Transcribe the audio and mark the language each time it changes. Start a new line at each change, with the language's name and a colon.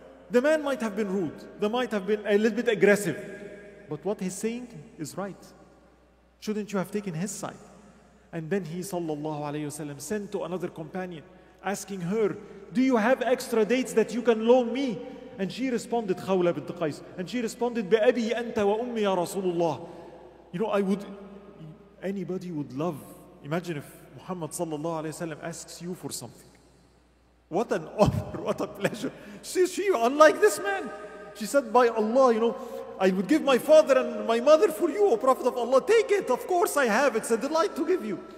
English: The man might have been rude. They might have been a little bit aggressive. But what he's saying is right. Shouldn't you have taken his side? And then he, sallallahu alayhi wasallam, sent to another companion, asking her, do you have extra dates that you can loan me? And she responded, Khawla bint Qais. And she responded,
Arabic: بأبي أنت وأمي يا رسول الله.
English: You know, anybody would love, imagine if Muhammad sallallahu alayhi wasallam asks you for something. What an honor, what a pleasure. She, unlike this man, she said, by Allah, you know, I would give my father and my mother for you, O Prophet of Allah. Take it, of course I have, it's a delight to give you.